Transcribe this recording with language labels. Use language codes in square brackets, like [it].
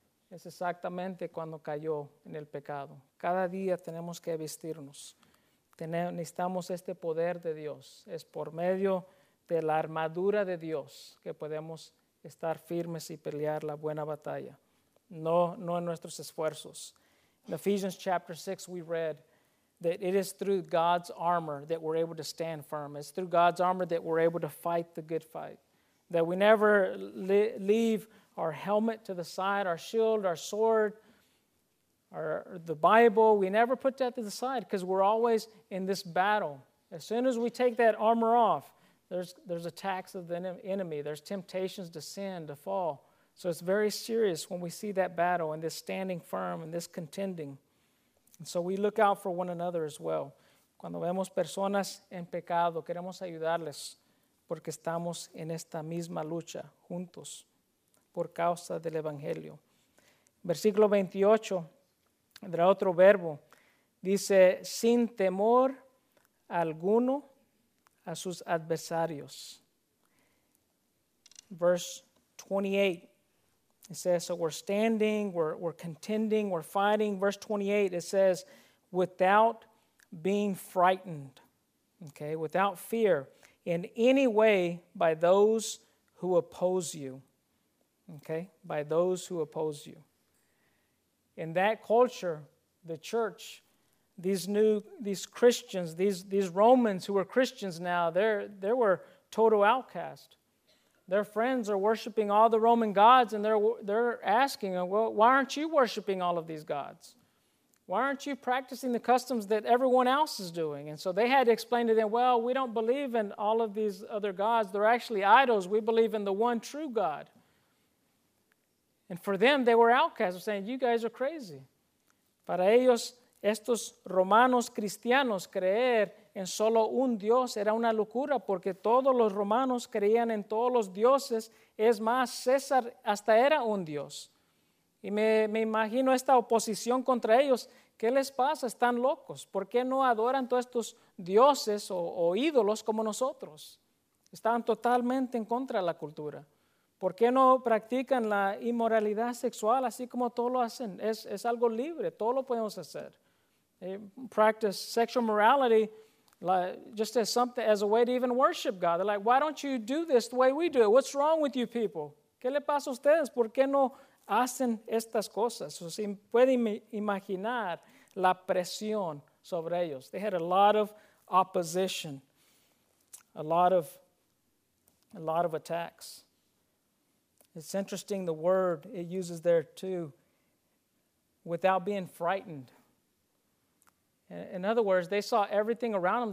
[es] Es exactamente cuando cayó en el pecado. Cada día tenemos que vestirnos. Necesitamos este poder de Dios. Es por medio de la armadura de Dios que podemos estar firmes y pelear la buena batalla. No en nuestros esfuerzos. [en] In Ephesians chapter 6 we read that it is through God's armor that we're able to stand firm. It's through God's armor that we're able to fight the good fight. That we never leave our helmet to the side, our shield, our sword, or the Bible, we never put that to the side because we're always in this battle. As soon as we take that armor off, there's attacks of the enemy. There's temptations to sin, to fall. So it's very serious when we see that battle and this standing firm and this contending. And so we look out for one another as well. [es] Cuando vemos personas en pecado, queremos ayudarles porque estamos en esta misma lucha juntos por causa del Evangelio. Versículo 28. Vendrá otro verbo, dice, sin temor alguno a sus adversarios. [en] Verse 28, it says, so we're standing, we're contending, we're fighting. Verse 28, it says, without being frightened, okay, without fear in any way by those who oppose you, okay, by those who oppose you. In that culture, the church, these Christians, these Romans who were Christians now, they were total outcasts. Their friends are worshiping all the Roman gods, and they're asking, well, why aren't you worshiping all of these gods? Why aren't you practicing the customs that everyone else is doing? And so they had to explain to them, well, we don't believe in all of these other gods. They're actually idols. We believe in the one true God. And for them, they were outcasts, saying, you guys are crazy. [es] Para ellos, estos romanos cristianos, creer en solo un Dios era una locura, porque todos los romanos creían en todos los dioses. Es más, César hasta era un Dios. Y me imagino esta oposición contra ellos. ¿Qué les pasa? Están locos. ¿Por qué no adoran todos estos dioses o ídolos como nosotros? Están totalmente en contra de la cultura. ¿Por qué no practican la inmoralidad sexual así como todos lo hacen? Es algo libre, todo lo podemos hacer. [en] Practice sexual morality like, just as something as a way to even worship God. They're like, why don't you do this the way we do it? What's wrong with you people? [es] ¿Qué le pasa a ustedes? ¿Por qué no hacen estas cosas? So, si pueden imaginar la presión sobre ellos. [en] They had a lot of opposition, a lot of attacks. It's interesting the word it uses there too, without being frightened. In other words, they saw everything around them.